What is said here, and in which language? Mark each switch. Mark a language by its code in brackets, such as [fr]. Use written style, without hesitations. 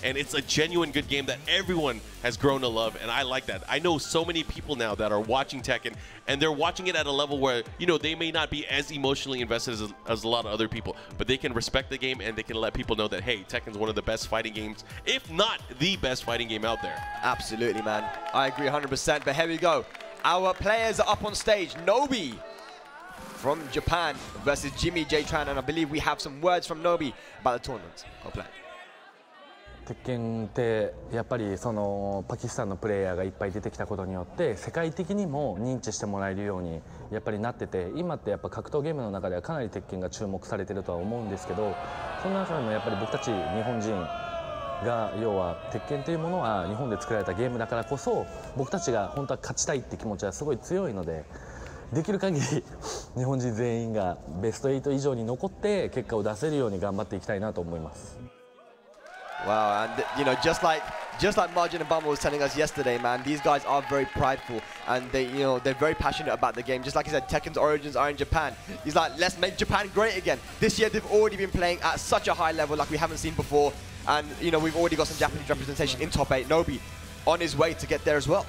[en] And it's a genuine good game that everyone has grown to love, and I like that. I know so many people now that are watching Tekken, and they're watching it at a level where, you know, they may not be as emotionally invested as a lot of other people, but they can respect the game, and they can let people know that, hey, Tekken's one of the best fighting games, if not the best fighting game out there. Absolutely, man. I agree 100%, but here we go. Our players are up on stage. Nobi from Japan versus JimmyJTran, and I believe we have some words from Nobi about the tournament. Go play. [ja] Tekken, やっぱりそのパキスタンのプレイヤーがいっぱい出てきたことによって、世界的にも認知してもらえるように、やっぱりなってて、今ってやっぱ格闘ゲームの中ではかなり鉄拳が注目されてるとは思うんですけど、その中でもやっぱり僕たち日本人 が要は鉄拳というものは日本で作られたゲームだからこそ僕たちが本当は勝ちたいって気持ちはすごい強いので、できる限り日本人全員がベスト8以上に残って結果を出せるように頑張っていきたいなと思います。 [en] Wow, and you know, just like Margin and Bama was telling us yesterday, man, these guys are very prideful and they, you know, they're very passionate about the game. Just like he said, Tekken's origins are in Japan. He's like, let's make Japan great again. This year they've already been playing at such a high level like we haven't seen before. And, you know, we've already got some Japanese representation in top eight. Nobi on his way to get there as well.